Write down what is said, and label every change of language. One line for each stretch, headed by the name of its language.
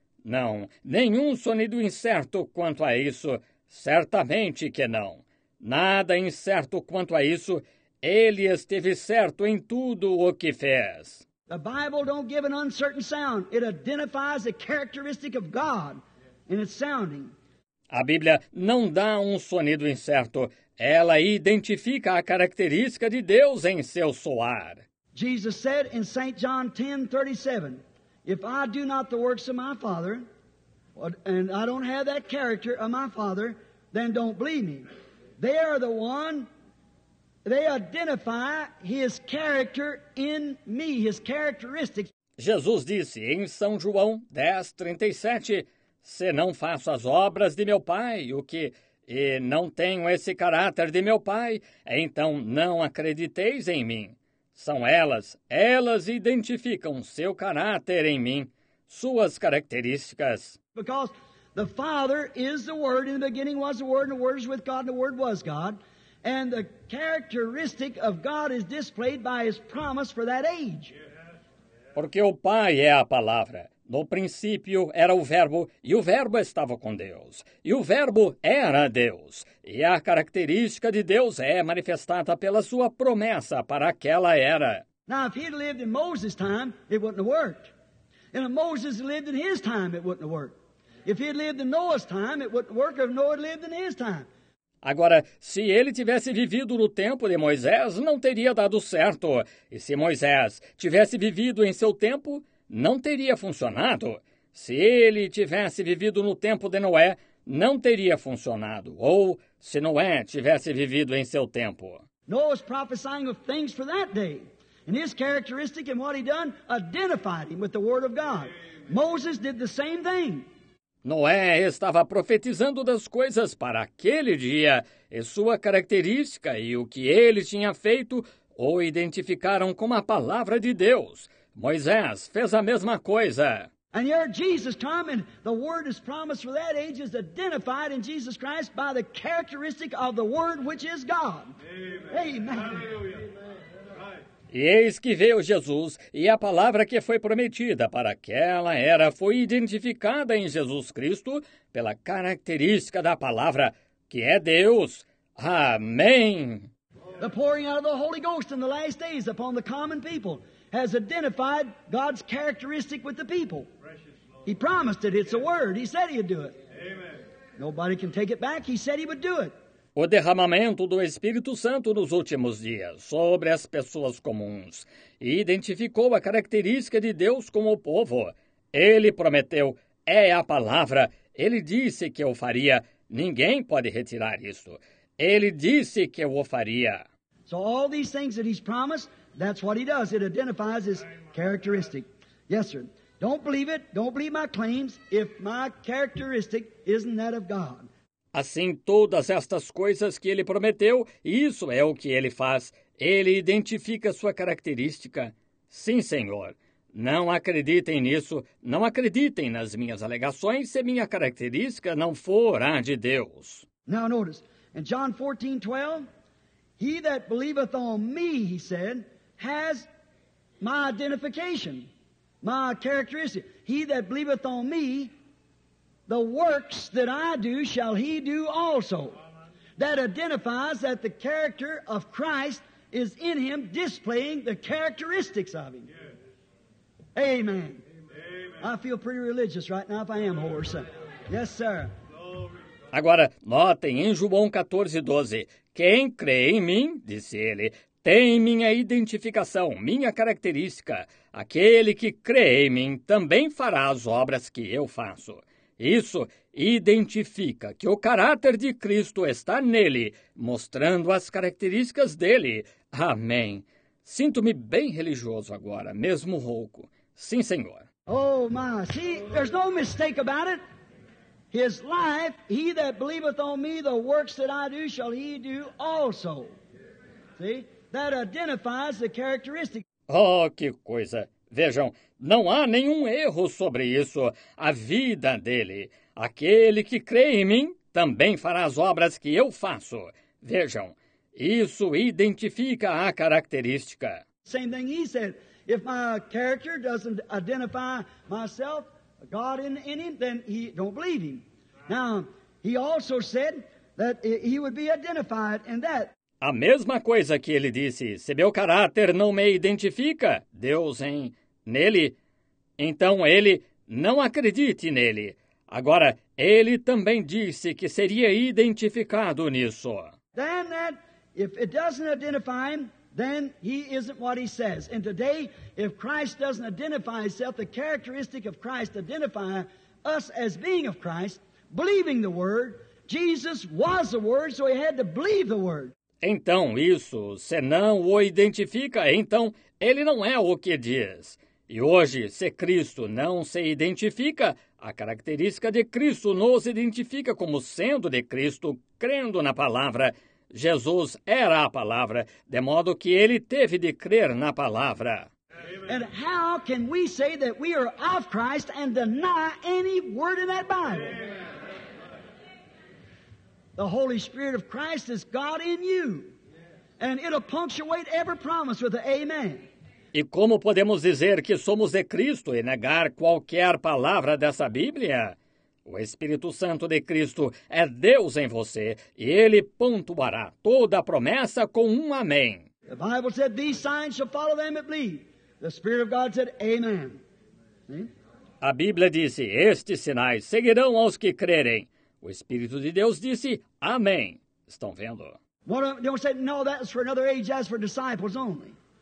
Portuguese: Não, nenhum sonido incerto quanto a isso. Certamente que não. Nada incerto quanto a isso. Ele esteve certo em tudo o que fez.
English: The Bible don't give an uncertain sound. It identifies a characteristic of God in its sounding.
Portuguese: A Bíblia não dá um sonido incerto. Ela identifica a característica de Deus em seu soar.
English: Jesus said in St. John 10:37, if I do not the works of my Father, and I don't have that character of my Father, then don't believe me. They are the one, they identify his character in me, his characteristics.
Portuguese: Jesus disse em São João 10:37, se não faço as obras de meu Pai, e não tenho esse caráter de meu Pai, então não acrediteis em mim. São elas identificam seu caráter em mim, suas características.
English: Because the Father is the Word, in the beginning was the Word, and the Word is with God, and the Word was God. And the characteristic of God is displayed by His promise for that age.
Portuguese: Porque o Pai é a Palavra. No princípio era o Verbo, e o Verbo estava com Deus. E o Verbo era Deus. E a característica de Deus é manifestada pela sua promessa para aquela era.
English: Now, if he'd lived in Moses' time, it wouldn't have worked. And if Moses lived in his time, it wouldn't have worked. If he'd lived in Noah's time, it wouldn't work if Noah lived in his time.
Portuguese: Agora, se ele tivesse vivido no tempo de Moisés, não teria dado certo. E se Moisés tivesse vivido em seu tempo, não teria funcionado. Se ele tivesse vivido no tempo de Noé, não teria funcionado. Ou se Noé tivesse vivido em seu tempo.
English: Noah was prophesying of things for that day. And his characteristic and what he done identified him with the word of God. Moses did the same thing.
Portuguese: Noé estava profetizando das coisas para aquele dia, e sua característica e o que ele tinha feito o identificaram como a palavra de Deus. Moisés fez a mesma coisa.
English: And here Jesus come, and the word is promised for that age is identified in Jesus Christ by the characteristic of the word which is God. Amen. Amen.
Portuguese: E eis que veio Jesus, e a palavra que foi prometida para aquela era foi identificada em Jesus Cristo pela característica da palavra, que é Deus. Amém!
English: The pouring out of the Holy Ghost in the last days upon the common people has identified God's characteristic with the people. He promised it. It's a word. He said he'd do it. Amen. Nobody can take it back. He said he would do it.
Portuguese: O derramamento do Espírito Santo nos últimos dias sobre as pessoas comuns e identificou a característica de Deus com o povo. Ele prometeu, é a palavra. Ele disse que o faria. Ninguém pode retirar isso. Ele disse que o faria.
English: So all these things that he's promised, that's what he does. It identifies his characteristic. Yes, sir. Don't believe it. Don't believe my claims if my characteristic isn't that of God.
Portuguese: Assim, todas estas coisas que ele prometeu, isso é o que ele faz. Ele identifica sua característica. Sim, Senhor. Não acreditem nisso. Não acreditem nas minhas alegações se minha característica não for a de Deus.
English: Now notice, in John 14:12, he that believeth on me, he said, has my identification, my characteristic. He that believeth on me, the works that I do shall he do also. That identifies that the character of Christ is in him, displaying the characteristics of him. Yes. Amen. Amen. I feel pretty religious right now if I am, horse. Yes, sir.
Portuguese: Agora, notem em João 14:12, quem crê em mim, disse ele, tem minha identificação, minha característica. Aquele que crê em mim também fará as obras que eu faço. Isso identifica que o caráter de Cristo está nele, mostrando as características dele. Amém. Sinto-me bem religioso agora, mesmo rouco. Sim, Senhor.
English: Oh, my. See, there's no mistake about it. His life, he that believeth on me, the works that I do, shall he do also. See? That identifies the characteristic.
Portuguese: Oh, que coisa. Vejam, não há nenhum erro sobre isso. A vida dele. Aquele que crê em mim também fará as obras que eu faço. Vejam, isso identifica a característica.
English: Same thing he said. If my character doesn't identify myself, God in him, then he don't believe him. Now, he also said that he would be identified in that.
Portuguese: A mesma coisa que ele disse, se meu caráter não me identifica, Deus em nele, então ele não acredite nele. Agora, ele também disse que seria identificado nisso.
English: Then that, if it doesn't identify him, then he isn't what he says. And today, if Christ doesn't identify himself, the characteristic of Christ identify us as being of Christ, believing the Word, Jesus was the Word, so he had to believe the Word.
Portuguese: Então, isso, se não o identifica, então, ele não é o que diz. E hoje, se Cristo não se identifica, a característica de Cristo nos identifica como sendo de Cristo, crendo na palavra. Jesus era a palavra, de modo que ele teve de crer na palavra.
English: And how can we say that we are of Christ and deny any word in that Bible? The Holy Spirit of Christ is God in you. And it'll punctuate every promise with an amen.
Portuguese: E como podemos dizer que somos de Cristo e negar qualquer palavra dessa Bíblia? O Espírito Santo de Cristo é Deus em você e ele pontuará toda a promessa com um amém.
English: The Bible said, these signs shall follow them that believe. The Spirit of God said, amen.
Portuguese: A Bíblia disse, estes sinais seguirão aos que crerem. O Espírito de Deus disse, amém. Estão vendo?
English: Don't say, no, that's for another age, that's for disciples only.